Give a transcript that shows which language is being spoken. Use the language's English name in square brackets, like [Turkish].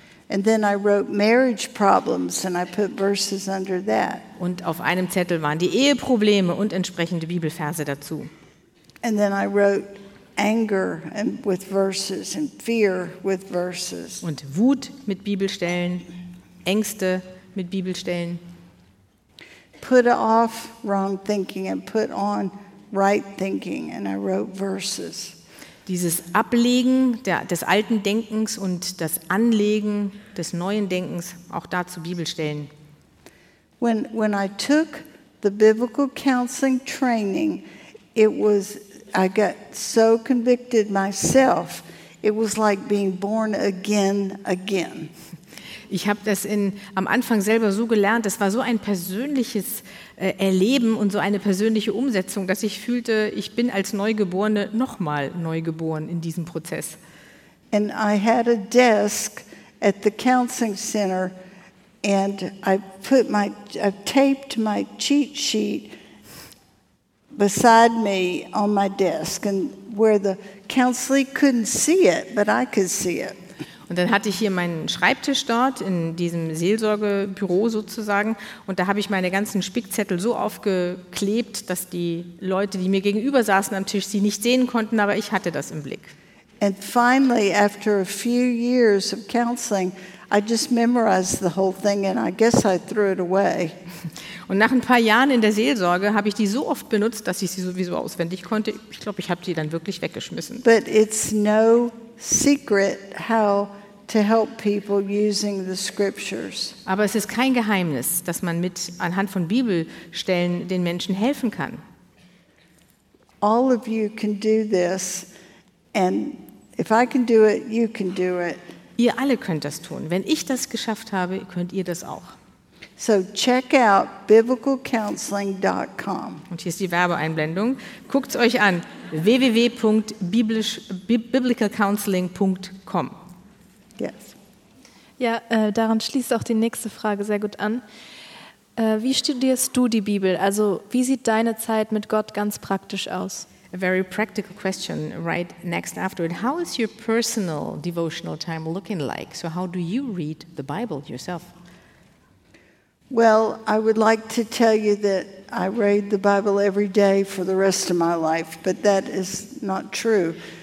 [English] And then I wrote marriage problems and I put verses under that. [German] Und auf einem Zettel waren die Eheprobleme und entsprechende Bibelverse dazu. [English] And then I wrote anger and with verses and fear with verses. [German] Und Wut mit Bibelstellen, Ängste mit Bibelstellen. [English] Put off wrong thinking and put on right thinking, and I wrote verses. [German] Dieses Ablegen des alten Denkens und das Anlegen des neuen Denkens, auch dazu Bibelstellen. [English] When I took the biblical counseling training, I got so convicted myself. It was like being born again. [German] Ich habe das am Anfang selber so gelernt. Das war so ein persönliches Erleben und so eine persönliche Umsetzung, dass ich fühlte, ich bin als Neugeborene nochmal neugeboren in diesem Prozess. [English] And I had a desk at the counseling center And I taped my cheat sheet beside me on my desk, and where the counselee couldn't see it, but I could see it. [German] Und dann hatte ich hier meinen Schreibtisch dort in diesem Seelsorgebüro sozusagen, und da habe ich meine ganzen Spickzettel so aufgeklebt, dass die Leute, die mir gegenüber saßen am Tisch, sie nicht sehen konnten, aber ich hatte das im Blick. [English] And finally, after a few years of counseling, I just memorized the whole thing, and I guess I threw it away. [German] Und nach ein paar Jahren in der Seelsorge habe ich die so oft benutzt, dass ich sie sowieso auswendig konnte. Ich glaube, ich habe die dann wirklich weggeschmissen. [English] But it's no secret how to help people using the scriptures. [German] Aber es ist kein Geheimnis, dass man mit anhand von Bibelstellen den Menschen helfen kann. [English] All of you can do this, and if I can do it, you can do it. [German] Ihr alle könnt das tun. Wenn ich das geschafft habe, könnt ihr das auch. [English] So check out biblicalcounseling.com. [German] Und hier ist die Werbeeinblendung. Guckt es euch an, www.biblicalcounseling.com. [English] Yes. [German] Ja, daran schließt auch die nächste Frage sehr gut an. Wie studierst du die Bibel? Also wie sieht deine Zeit mit Gott ganz praktisch aus? [English] A very practical question right next after it. How is your personal devotional time looking like? So how do you read the Bible yourself? Well, I would like to tell you that I read the Bible every day for the rest of my life, but that is not true.